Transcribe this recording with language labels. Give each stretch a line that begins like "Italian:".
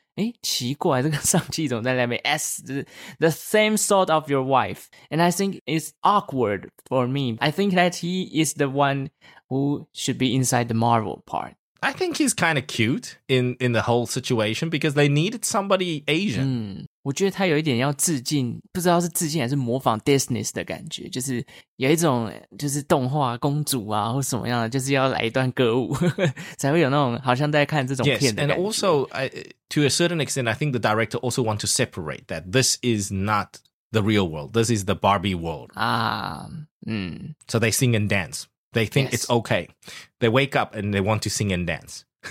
Chinese: 诶，奇怪，这个上气怎么在那边 ？
English: S the same sort of your wife, and I think it's awkward for me. I think that he is the one who should be inside the Marvel part. I think he's kind of cute in the whole situation because they needed somebody Asian.
Chinese: 我觉得他有一点要致敬，不知道是致敬还是模仿 Disney 的感觉，就是有一种就是动画公主啊或什么样的，就是要来一段歌舞，才会有那种好像在看这种片的感觉。
English: Yes, and also, to a certain extent, I think the director also want to separate that this is not the real world. This is the Barbie world. So they sing and dance. They think it's okay. They wake up and they want to sing and dance.